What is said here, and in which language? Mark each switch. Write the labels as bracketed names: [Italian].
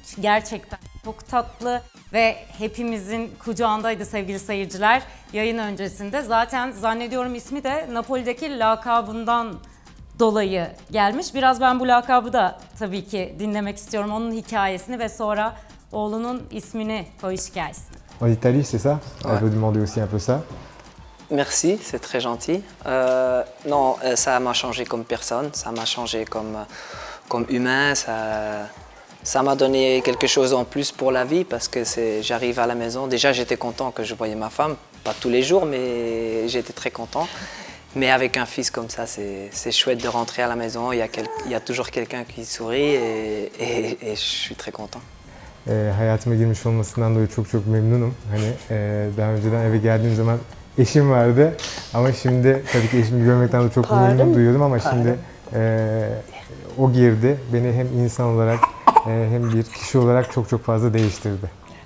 [Turkish] Gerçekten çok tatlı ve hepimizin kucağındaydı sevgili seyirciler yayın öncesinde. Zaten zannediyorum ismi de Napoli'deki lakabından dolayı gelmiş. Biraz ben bu lakabı da tabii ki dinlemek istiyorum. Onun hikayesini ve sonra oğlunun ismini koyuş hikayesini. [French] En Italie, c'est ça? Ouais. Elle veut demander aussi un peu ça. Merci, c'est très gentil. Non, ça m'a changé comme personne, ça m'a changé comme humain, ça m'a donné quelque chose en plus pour la vie parce que j'arrive à la maison. Déjà, j'étais content que je voyais ma femme, pas tous les jours, mais j'étais très content. Mais avec un fils comme ça, c'est chouette de rentrer à la maison. Il y a toujours quelqu'un qui sourit et je suis très content. [Turkish] Hayatıma girmiş olmasından dolayı çok çok memnunum. Hani daha önceden eve geldiğim zaman eşim vardı ama şimdi tabii ki eşimi görmekten de çok memnun duyuyordum ama şimdi o girdi. Beni hem insan olarak hem bir kişi olarak çok çok fazla değiştirdi.